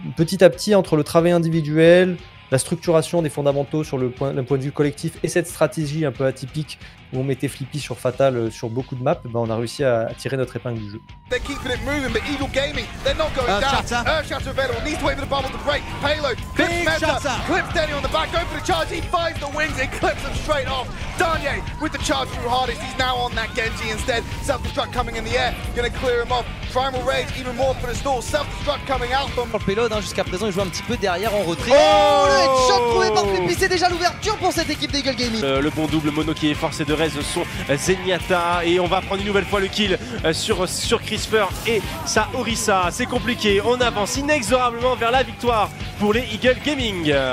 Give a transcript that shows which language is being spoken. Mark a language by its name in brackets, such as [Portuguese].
[French] Petit à petit, entre le travail individuel, la structuration des fondamentaux sur le point de vue collectif et cette stratégie un peu atypique où on mettait Flippy sur Fatal sur beaucoup de maps, ben on a réussi à tirer notre épingle du jeu. [English] They're keeping it moving, but Eagle Gaming, they're not going down. Earthshatter available, needs to wait for the bubble to break. Payload, clips Meta, clips Denny on the back, going for the charge, he finds the wings, it clips them straight off. Danye with the charge through hardest, he's now on that Genji instead. Self-destruct coming in the air, gonna clear him off. Primal Rage, even more for the stall, self-destruct coming out from... [French] Pour le payload, hein, jusqu'à présent, il joue un petit peu derrière en retrait. Oh, le headshot trouvé par Flippy, c'est déjà l'ouverture pour cette équipe d'Eagle Gaming. Le bon double mono qui est forcé de reste son Zenyatta et on va prendre une nouvelle fois le kill sur Crisper et sa Orisa. C'est compliqué, on avance inexorablement vers la victoire pour les Eagle Gaming.